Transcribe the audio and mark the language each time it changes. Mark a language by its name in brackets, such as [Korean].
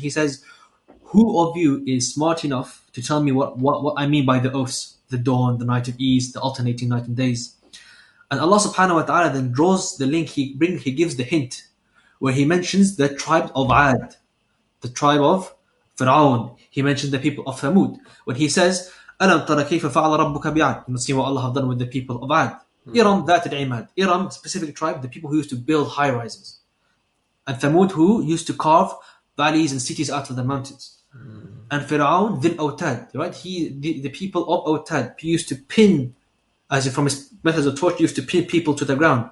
[English] He says, who of you is smart enough to tell me what I mean by the oaths? The dawn, the night of ease, the alternating night and days. And Allah subhanahu wa ta'ala then draws the link, He gives the hint, where He mentions the tribe of Ad, the tribe of Fir'aun. He mentions the people of Thamud. When He says, [Arabic] أَلَمْ تَرَ كَيْفَ فَعَلَ رَبُّكَ بِعَدْ. [English] You must see what Allah has done with the people of Ad. Iram, that is Imad. Iram, specific tribe, the people who used to build high rises. And Thamud, who used to carve valleys and cities out of the mountains. And Fir'aun, Dhil Awtad, right? The people of Awtad, he used to pin, as if from his methods of torture, used to pin people to the ground.